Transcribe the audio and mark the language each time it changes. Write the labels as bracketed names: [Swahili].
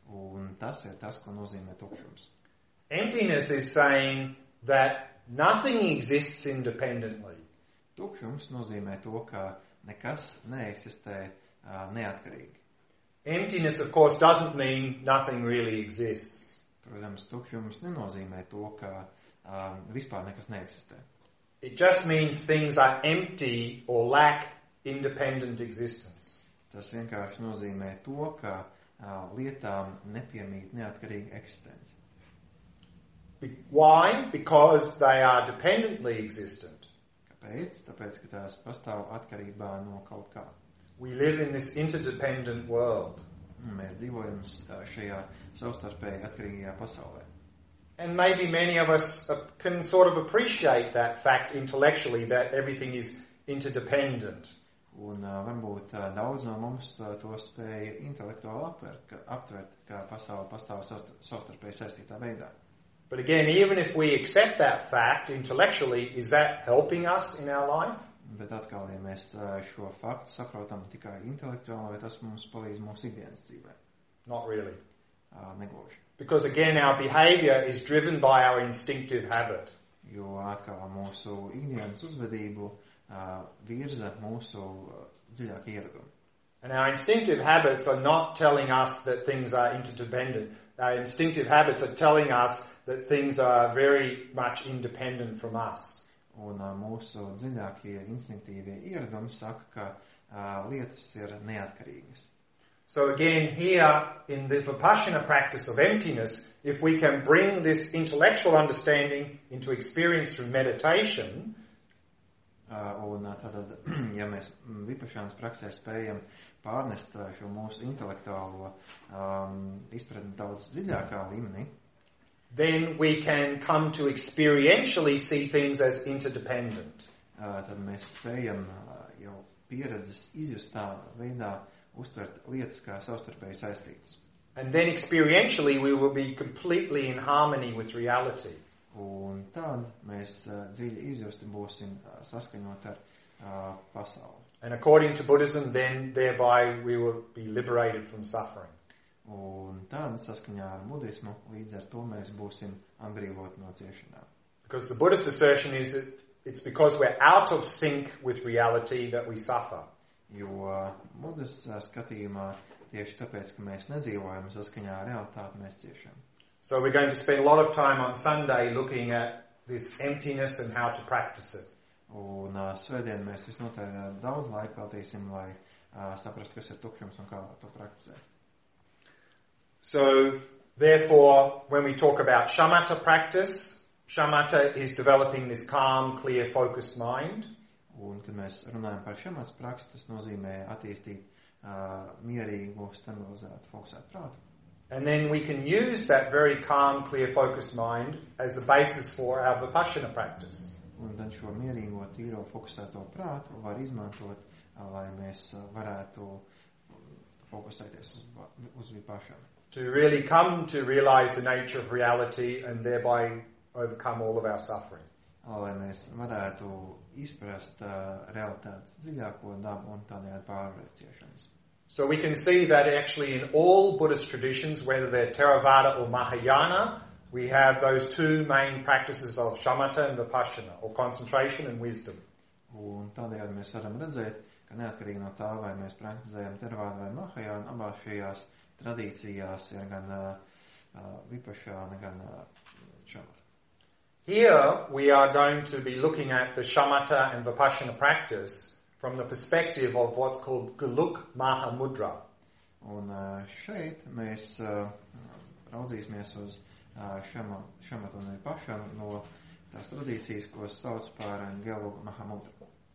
[Latvian] Un tas ir tas, ko nozīmē tukšums. [English] Emptiness is saying that nothing exists independently. [Latvian] Tukšums nozīmē to, ka nekas neeksistē neatkarīgi. [English] Emptiness, of course, doesn't mean nothing really exists. [Latvian] Protams, tukšums nenozīmē to, ka vispār nekas neeksistē. [English] It just means things are empty or lack independent existence. [Latvian] Tas vienkārši nozīmē to, ka lietām nepiemīt neatkarīgu eksistenci. [English] Why? Because they are dependently existent. [Latvian] Kāpēc? Tāpēc, ka tās pastāv atkarībā no kaut kā. [English] We live in this interdependent world. [Latvian] Mēs dzīvojam šajā savstarpēji atkarīgajā pasaulē. [English] And maybe many of us can sort of appreciate that fact intellectually, that everything is interdependent. [Latvian] Un varbūt daudz no mums to spēja intelektuāli aptvert, ka pasaule pastāv savstarpēji saistītā veidā. [English] But again, even if we accept that fact intellectually, is that helping us in our life? [Latvian] Bet atkal, ja mēs šo faktu saprotam tikai intelektuāli, vai tas mums palīdz mūsu ikdienas dzīvē? [English] Not really. [Latvian] Negluži. [English] Because again, our behavior is driven by our instinctive habit. [Latvian] Jo atkal mūsu ikdienas uzvedību virza mūsu dziļāk ieradumu. [English] And our instinctive habits are not telling us that things are interdependent. Our instinctive habits are telling us that things are very much independent from us. [Latvian] Un mūsu dziļākie instinktīvie ieradumi saka, ka lietas ir neatkarīgas. [English] So again, here in the Vipassana practice of emptiness, if we can bring this intellectual understanding into experience through meditation, [Latvian] un tātad, ja mēs Vipassanas praksē spējam pārnest šo mūsu intelektuālo izpratni daudz dziļākā līmenī, [English] then we can come to experientially see things as interdependent. [Latvian] Tad mēs spējam jau pieredzes izjustā veidā uztvert lietas kā savstarpēji saistītas. [English] And then experientially we will be completely in harmony with reality. [Latvian] Un tad mēs dzīvi izjusti būsim saskaņot ar pasauli. [English] And according to Buddhism, then thereby we will be liberated from suffering. [Latvian] Un tā saskaņā ar budismu, līdz ar to mēs būsim atbrīvoti no ciešanām. [English] Because the Buddhist assertion is it's because we're out of sync with reality that we suffer. [Latvian] Jo budista skatījumā tieši tāpēc, ka mēs nedzīvojam saskaņā ar realitāti, mēs ciešam. [English] So we're going to spend a lot of time on Sunday looking at this emptiness and how to practice it. [Latvian] Un svētdien mēs visnotaļ daudz laika veltīsim, lai saprastu, kas ir tukšums un kā to praktizēt. [English] So, therefore, when we talk about shamatha practice, shamatha is developing this calm, clear, focused mind. [Latvian] Un, kad mēs runājam par shamatha praksi, tas nozīmē attīstīt mierīgu, stabilizētu, fokusētu prātu. [English] And then we can use that very calm, clear, focused mind as the basis for our vipassana practice. [Latvian] Un tad šo mierīgo, tīro, fokusēto prātu var izmantot, lai mēs varētu fokusēties uz vipassanu. [English] To really come to realize the nature of reality and thereby overcome all of our suffering. [Latvian] Lai mēs varētu izprast realitātes dziļāko dabu un tādējādi pārvarēt ciešanas. [English] So we can see that actually in all Buddhist traditions, whether they're Theravada or Mahayana, we have those two main practices of shamatha and vipassana, or concentration and wisdom. [Latvian] Un tādējādi mēs varam redzēt, ka neatkarīgi no tā, vai mēs praktizējam Theravada vai Mahayana, abās šajās tradīcijās ir gan vipassana, gan shamatha. [English] Here we are going to be looking at the shamatha and vipassana practice from the perspective of what's called Guluk Mahamudra. [Latvian] Un šeit mēs raudzīsimies uz shamatha un vipassana no tās tradīcijas, ko sauc par Geluk Mahamudra.